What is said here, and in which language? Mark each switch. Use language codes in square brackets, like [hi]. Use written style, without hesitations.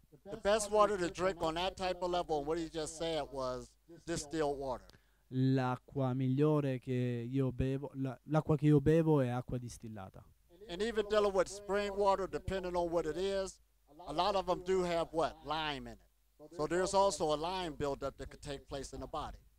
[en] The best water to drink on that type of level, what you just said, was distilled water. [it] L'acqua migliore che io bevo, l'acqua che io bevo è acqua distillata. [en] And even dealing with spring water, depending on what it is, a lot of them do have what? Lime in it. So there's also a lime buildup that could take place in the body.